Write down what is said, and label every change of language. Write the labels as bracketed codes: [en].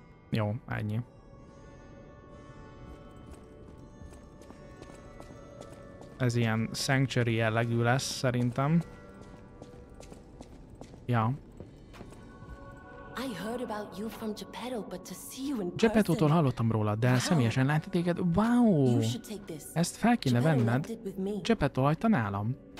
[hu] Jó, ennyi. Ez ilyen sanctuary jellegű lesz, szerintem. Ja. [en] I heard about you from Geppetto, but to see you in person. [hu] Geppettótól hallottam róla, de wow. Személyesen látni téged? Wow! Ezt fel kéne venned. Geppetto hagyta nálam.